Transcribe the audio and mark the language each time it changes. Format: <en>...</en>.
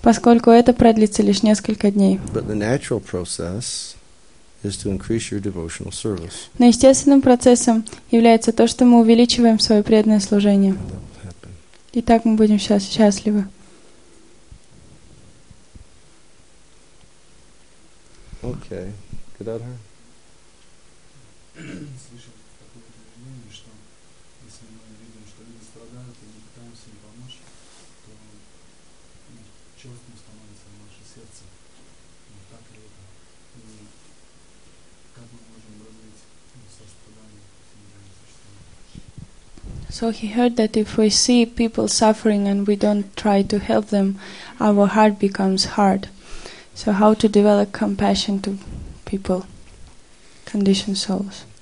<ru>Поскольку это продлится лишь несколько дней.</ru> <en>But the natural process is to increase your devotional service.</en> <ru>Но естественным процессом является то, что мы увеличиваем свое преданное служение. И так мы будем сейчас счастливы. Окей. Гададхар? Слышал такое утверждение, что если мы видим, что люди страдают, и мы пытаемся им помочь, то чёрным становится наше сердце. Не так ли это? И как мы можем развить сострадание к семейному существованию?</ru> <en>So he heard that if we see people suffering and we don't try to help them, our heart becomes hard. So how to develop compassion to people, conditioned souls?</en>